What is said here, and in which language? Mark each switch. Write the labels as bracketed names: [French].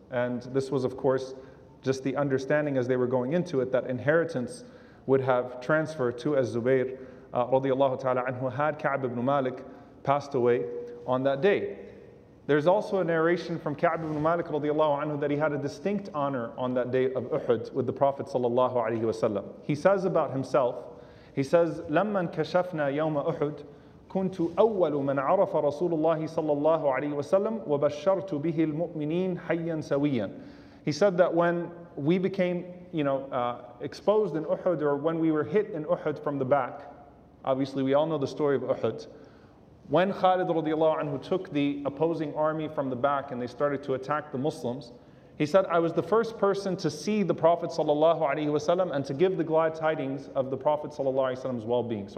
[English] And this was, of course, just the understanding as they were going into it that inheritance would have transferred to Az-Zubayr radiallahu ta'ala anhu had Ka'b ibn Malik passed away on that day. There's also a narration from Ka'b ibn Malik radiallahu anhu that he had a distinct honor on that day of Uhud with the Prophet sallallahu alayhi wasallam. He says about himself, he says, [Arabic] لَمَّنْ كَشَفْنَا يَوْمَ أُحُدْ كُنْتُ أَوَّلُ مَنْ عَرَفَ رَسُولُ اللَّهِ sallallahu alayhi wasallam وَبَشَّرْتُ بِهِ الْمُؤْمِنِينَ حَيًّا سَوِيًّا. [English] He said that when we became, you know, exposed in Uhud, or when we were hit in Uhud from the back, obviously we all know the story of Uhud, when Khalid radiallahu anhu took the opposing army from the back and they started to attack the Muslims, he said, I was the first person to see the Prophet sallallahu alaihi wasallam and to give the glad tidings of the Prophet sallallahu alaihi wasallam's well-being.